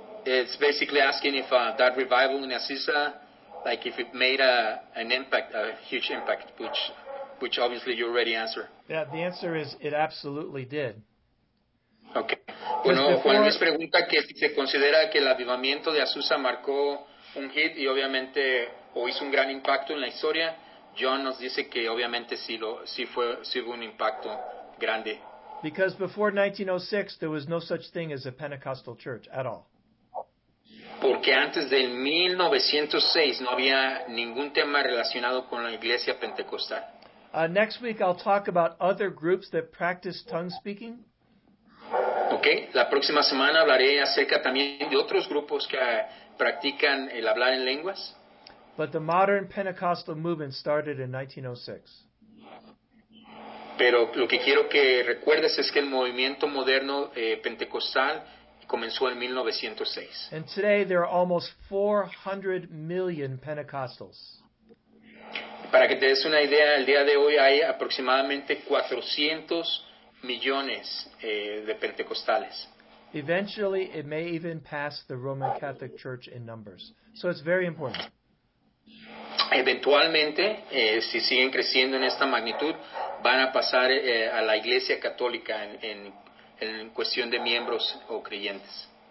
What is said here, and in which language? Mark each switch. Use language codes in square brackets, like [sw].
[en] It's basically asking if that revival in Azusa, like if it made a huge impact, which obviously you already answered. Yeah, the answer is it absolutely did. Okay. [es] Bueno, Juan Luis pregunta que si se considera que el avivamiento de Azusa marcó un hit y obviamente o hizo un gran impacto en la historia. John nos dice que obviamente sí fue un impacto grande. [en] Because before 1906 there was no such thing as a Pentecostal church at all. [es] Porque antes del 1906 no había ningún tema relacionado con la iglesia pentecostal. [en] Next week I'll talk about other groups that practice tongue speaking. [es] Okay, la próxima semana hablaré acerca también de otros grupos que practican el hablar en lenguas. [en] But the modern Pentecostal movement started in 1906. [es] Pero lo que quiero que recuerdes es que el movimiento moderno pentecostal comenzó en 1906. [en] And today there are almost 400 million Pentecostals. [es] Para que te des una idea, el día de hoy hay aproximadamente 400 millones de pentecostales. [en] Eventually it may even pass the Roman Catholic Church in numbers. So it's very important. [es] eventualmente, si siguen creciendo en esta magnitud, van a pasar a la Iglesia Católica en cuestión de miembros o creyentes.